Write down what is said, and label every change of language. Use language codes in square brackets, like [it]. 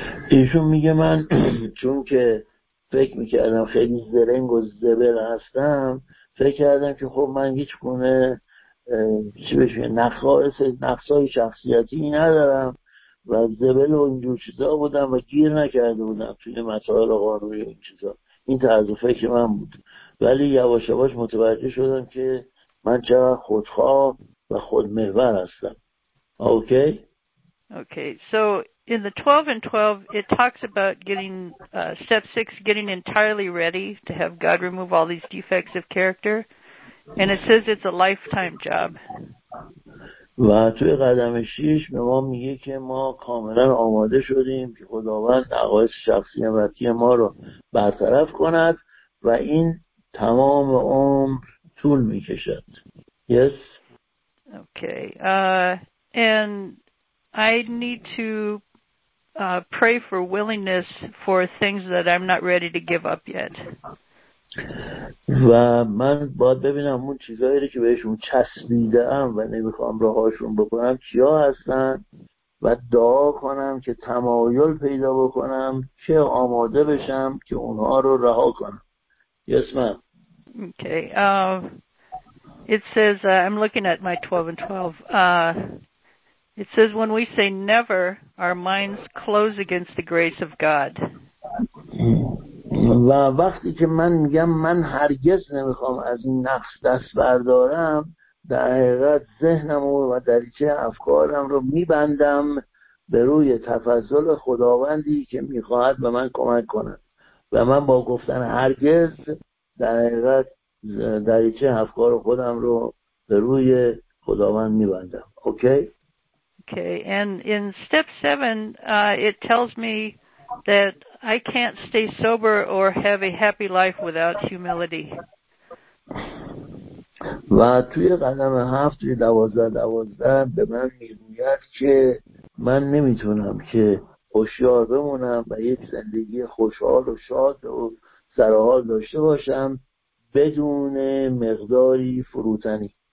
[fa] ایشون میگه من چون که فکر میکردم خیلی زرنگ و زبر هستم، فکر کردم که خب من هیچ گونه چی بشه نقصای شخصیتی ندارم و زبل و اینجور چیزا بودم و گیر نکرده بودم توی مسائل قانونی و این چیزا. این طرز فکر من بود، ولی یواش یواش متوجه شدم که من چقدر خودخواه و خودمحور هستم. اوکی؟ اوکی. [en] So in the 12 and 12 it talks about getting step 6 getting entirely ready to have God remove all these defects of character, and it says it's a lifetime job. [fa] و توی قدم 6 به ما میگه که ما کاملا آماده شدیم که خداوند نقایص شخصیتی ما رو برطرف کند و این تمام عمر طول میکشد. [en] Yes. Okay. And I need to pray for willingness for things that I'm not ready to give up yet. [fa] و من باید ببینم اون چیزایی که بهشون چسبیدم و نمیخوام راهاشون بکنم چیا هستن و دعا کنم که تمایل پیدا بکنم که آماده بشم که اونها رو رها کنم. [en] Yes, ma'am. Okay. It says I'm looking at my 12 and 12. It says when we say never, our minds close against the grace of God. [fa] و وقتی که من میگم من هرگز نمیخوام از این نقص دست بردارم، در حقیقت ذهنم رو و دریچه افکارم رو میبندم به روی تفضل خداوندی که میخواهد به من کمک کنه، و من با گفتن هرگز در حقیقت دریچه افکار خودم رو به روی خداوند میبندم. اوکی؟ [en] Okay, and in step 7, it tells me that I can't stay sober or have a happy life without humility. [fa] و توی قدم 7 توی 12 به من میگوید که من نمیتونم که هوشیار بمونم و یک زندگی خوشحال و شاد و سرحال داشته باشم بدون مقداری فروتنی.